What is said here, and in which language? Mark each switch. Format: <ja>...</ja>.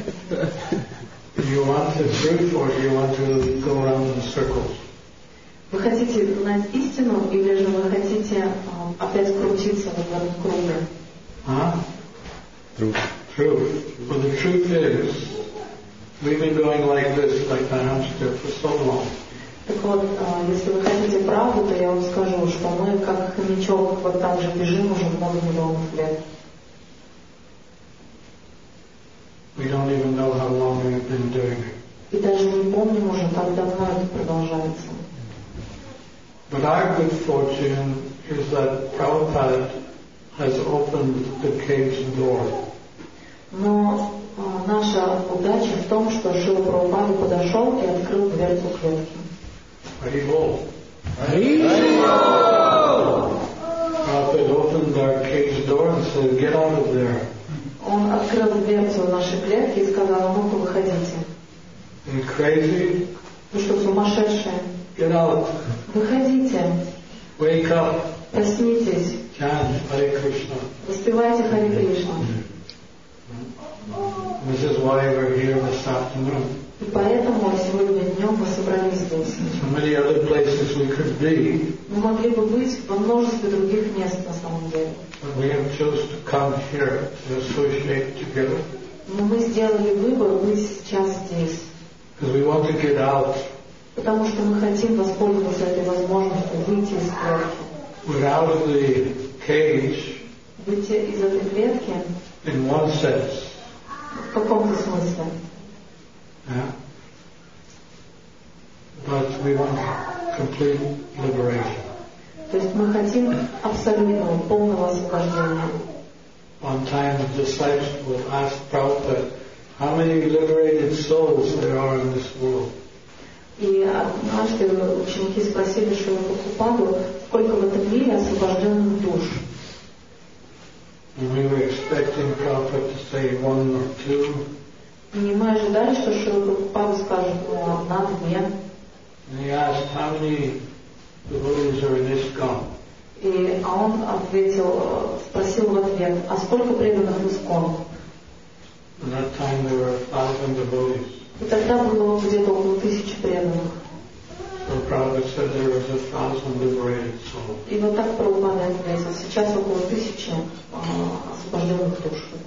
<en>You want the truth or you want to go around in circles?</en> <ru>Вы хотите знать истину или же вы хотите опять крутиться в этом круге? А?</ru> <en>True. But the truth is, we've been going like this, like the hamster, for so long.</en> <ru>Так вот, если вы хотите правду, то я вам скажу, что мы как хомячок вот так же бежим уже много миллионов лет.</ru> <en>We don't even know how long we've been doing it.</en> <ru>И даже не помним уже, как давно это продолжается.</ru> <en>But our good fortune is that Prabhupada has opened the cage door.</en> <ru>Но наша удача в том, что Шрила Прабхупада подошел и открыл дверцу клетки.</ru> <sa>Харибол. Харибол!</sa> <en>Prabhupada opened our cage door and said, get out of there.</en> <ru>Он открыл дверцу нашей клетки и сказал, ну-ка, выходите.</ru> <en>Are you crazy?</en> <ru>Вы что, сумасшедшие?</ru> <en>Get out.</en> <ru>Выходите.</ru> <en>Wake up.</en> <ru>Проснитесь.</ru> <en>Chant Hare Krishna.</en> <ru>Воспевайте Харе Кришну.</ru> <en>This is why we're here this afternoon.</en> <ru>И поэтому сегодня днем мы собрались здесь.</ru> <en>So many other places we could be.</en> <ru>Мы могли бы быть во множестве других мест на самом деле.</ru> <en>But we have chosen to come here to associate together.</en> <ru>Но мы сделали выбор быть сейчас здесь.</ru> <en>Because we want to get out.</en> <ru>Потому что мы хотим воспользоваться этой возможностью выйти из клетки.</ru> <en>We're out of the cage.</en> <ru>Выйти из этой клетки.</ru> <en>In one sense.</en> <ru>В каком-то смысле.</ru> <en>Yeah. But we want complete liberation.</en> <ru>То есть мы хотим абсолютного, полного освобождения.</ru> <en>One time a disciple asked Prabhupada, How many liberated souls there are in this world?</en> <ru>И однажды ученики спросили Шрилу Прабхупаду, сколько в этом мире освобожденных душ.</ru> <en>We were expecting Prabhupada to say one or two.</en> <ru>Не мы ожидали, что Шрилу Прабхупаду скажет одна, две.</ru> <en>And he asked, how many devotees are in ISKCON?</en> <ru>И он ответил, спросил в ответ, а сколько преданных в ISKCON?</ru> <en>At that time there were 1,000 devotees.</en> <ru>И тогда было где-то около 1,000 преданных.</ru> <en>So Prabhupada said there was 1,000 liberated souls.</en> <ru>И вот так Прабхупада ответил, сейчас около 1,000 освобожденных душ.</ru>